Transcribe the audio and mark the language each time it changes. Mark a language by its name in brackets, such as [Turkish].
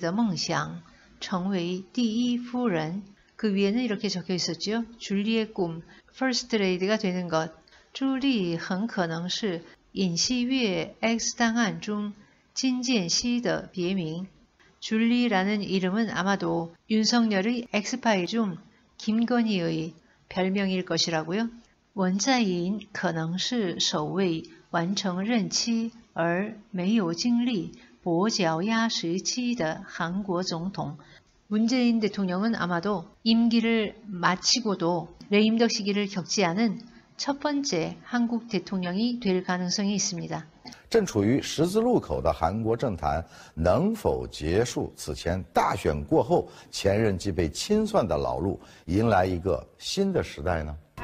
[Chinese] 上面写着朱莉的梦想成为第一夫人. [Korean] 그 위에는 이렇게 적혀 있었죠. 줄리의 꿈, 퍼스트레이드가 되는 것. [Chinese] 朱莉很可能是尹锡悦X档案中金建熙的别名. [Korean] 줄리라는 이름은 아마도 윤석열의 X파일 중 김건희의 별명일 것이라고요. [Chinese] 文在寅可能是首位完成任期而没有经历跛脚鸭时期的韩国总统. [Korean] 문재인 대통령은 아마도 임기를 마치고도 레임덕 시기를 겪지 않은 첫 번째 한국 대통령이 될 가능성이 있습니다. [Chinese] 正处于十字路口的韩国政坛能否结束此前大选过后前任即被清算的老路迎来一个新的时代呢?